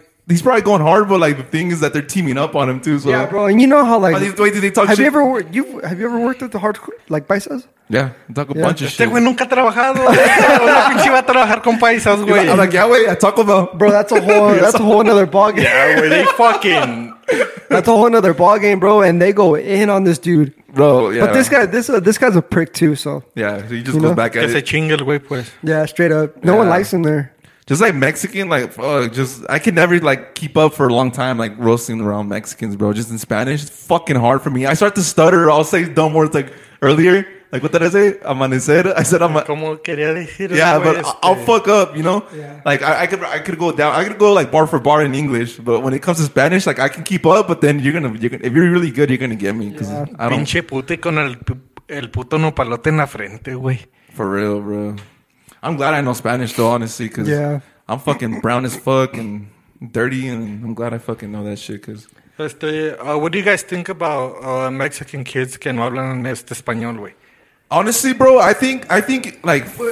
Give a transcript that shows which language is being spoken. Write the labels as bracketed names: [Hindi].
[English] He's probably going hard, but like the thing is that they're teaming up on him too. So. Yeah, bro. And you know how like did they talk shit? Have you ever worked with the hardcore like paisas? Yeah, I talk a bunch of shit. [Spanish] Este güey nunca ha trabajado. La pinche va a trabajar con paisas, güey. [English] I'm like, yeah, güey, I talk about. Bro, that's a whole other ballgame. Yeah, güey, they fucking. That's a whole another ballgame, bro. And they go in on this dude. Bro, yeah. But this guy's a prick too, so. Yeah, so he just goes back at it. [Spanish] Que se chingue el güey, pues. [English] Yeah, straight up. No one likes him there. Just like Mexican, like, fuck, just, I can never, like, keep up for a long time, like, roasting around Mexicans, bro. Just in Spanish, it's fucking hard for me. I start to stutter, I'll say dumb words, like, earlier. Like, what did I say? Amanecer. I said, I'll fuck up, you know? Yeah. Like, I could go like, bar for bar in English, but when it comes to Spanish, like, I can keep up, but then if you're really good, you're gonna get me. Cause I don't. [Spanish] Pinche pute con el puto no palote en la frente, güey. [English] For real, bro. I'm glad I know Spanish, though, honestly, because I'm fucking brown as fuck and dirty, and I'm glad I fucking know that shit, because... What do you guys think about Mexican kids [Spanish] que no hablan este español, güey? [English] Honestly, bro, I think like...